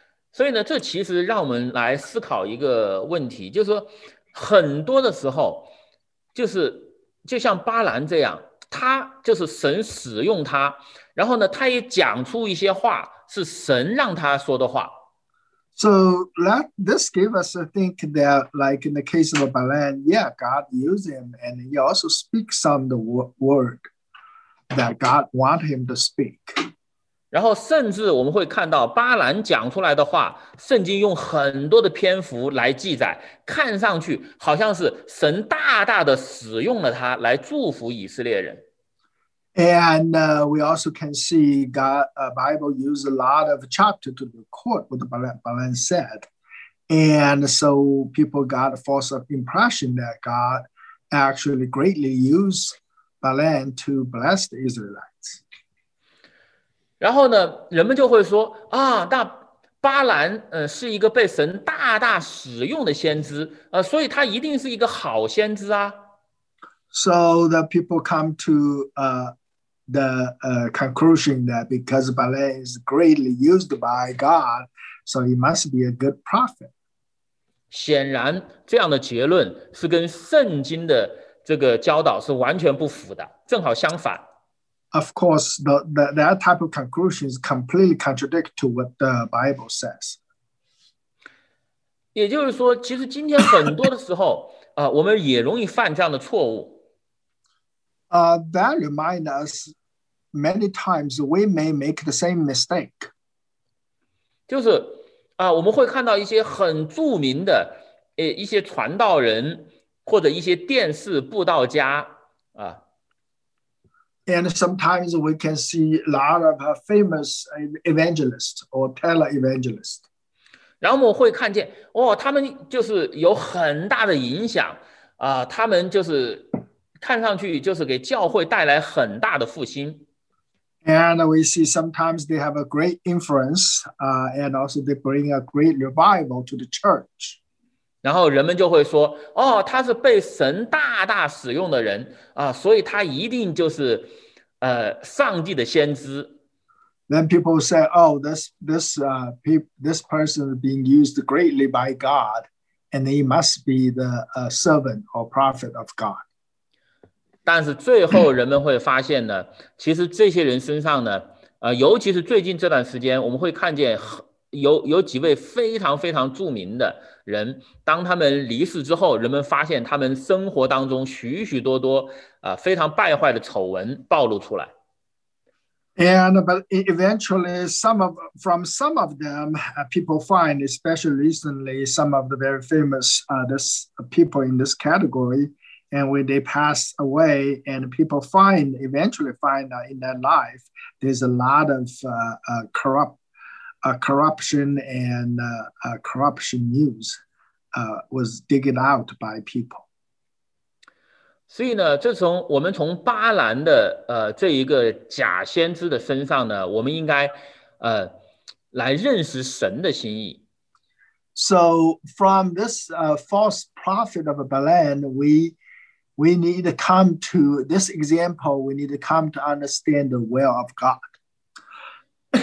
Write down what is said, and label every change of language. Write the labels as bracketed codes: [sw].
[zh] 所以呢，这其实让我们来思考一个问题，就是说很多的时候，就是就像巴兰这样。他就是神使用他，然后呢，他也讲出一些话是神让他说的话。 [en] So that this gave us to think that, like in the case of Balan, yeah, God used him, and he also speaks some the word that God want him to speak. [zh] 然后甚至我们会看到巴兰讲出来的话，圣经用很多的篇幅来记载，看上去好像是神大大的使用了他来祝福以色列人。 [en] And we also can see God, Bible used a lot of chapter to record what Balan said. And so people got a false impression that God actually greatly used Balan to bless the Israelites. [zh] 然后呢，人们就会说啊，那巴兰是一个被神大大使用的先知，所以他一定是一个好先知啊。 [en] So the people come to the conclusion that because Balaam is greatly used by God, so he must be a good prophet. [zh] 显然，这样的结论是跟圣经的这个教导是完全不符的，正好相反。 [en] Of course, that type of conclusion is completely contradict to what the Bible says. [zh] 也就是说，其实今天很多的时候啊，我们也容易犯这样的错误。 [en] That reminds us many times we may make the same mistake. [zh] 就是啊，我们会看到一些很著名的一些传道人或者一些电视布道家啊。 [en] And sometimes we can see a lot of famous evangelists or televangelists. [zh] 然后我们会看见，哦，他们就是有很大的影响啊，他们就是看上去就是给教会带来很大的复兴。 [en] And we see sometimes they have a great influence, and also they bring a great revival to the church. [zh] 然后人们就会说，哦，他是被神大大使用的人啊，所以他一定就是，上帝的先知。 [en] Then people say, oh, this person is being used greatly by God, and he must be the servant or prophet of God. [zh] 但是最后人们会发现呢，其实这些人身上呢，尤其是最近这段时间，我们会看见有几位非常非常著名的人，当他们离世之后，人们发现他们生活当中许许多多非常败坏的丑闻暴露出来。 [en] And but eventually, some of them, people find, especially recently, some of the very famous this people in this category, and when they pass away, and people eventually find that in their life, there's a lot of corruption and corruption news was digged out by people. [zh] 所以呢，这从我们从巴兰的这一个假先知的身上呢，我们应该来认识神的心意。 [en] So from this false prophet of Balaam, we need to come to this example. We need to come to understand the will of God.